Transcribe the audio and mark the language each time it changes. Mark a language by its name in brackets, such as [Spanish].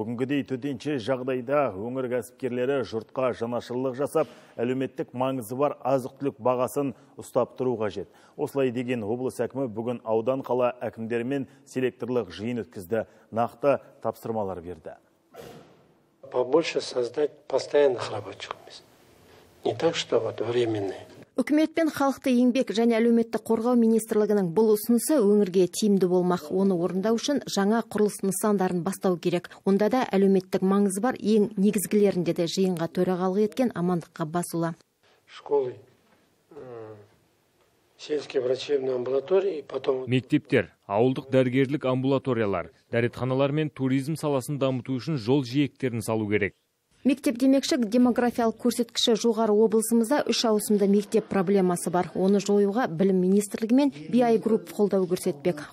[Kazakh] Бүгінгідей төтенше жағдайда өңір кәсіпкерлері жұртқа жанашырлық жасап, әлеуметтік маңызы бар азық-түлік бағасын ұстап тұруға жет. Осылай деген облыс әкімі бүгін аудан қала әкімдерімен селекторлық жиын өткізді. Нақты тапсырмалар берді. [Russian] Побольше создать постоянных рабочих мест. Не так, что вот временные. [Kazakh] Үкіметпен халықты еңбек және әлеуметті қорғау министрлігінің бұл ұсынысы өңірге тиімді болмақ. Оны орындау үшін жаңа құрылыс нысандарын бастау керек. Онда да әлеуметтік маңыз бар ең негізгілерінде де жиынға төрағалық еткен Амандық Ғаббасұлы. [Russian] Школы, сельский врачебный амбулаторий, потом... [Kazakh] Мектептер. Ауылдық дәрігерлік амбулаториялар, дәретханалар мен туризм саласын дамыту үшін жол жиектерін салу керек. Мектеп демекші, демографиялық көрсеткіші жоғары облысымызда 3 ауысымда мектеп проблемасы бар. Оны жоюға білім министрлігімен BI Group қолдау көрсетпек.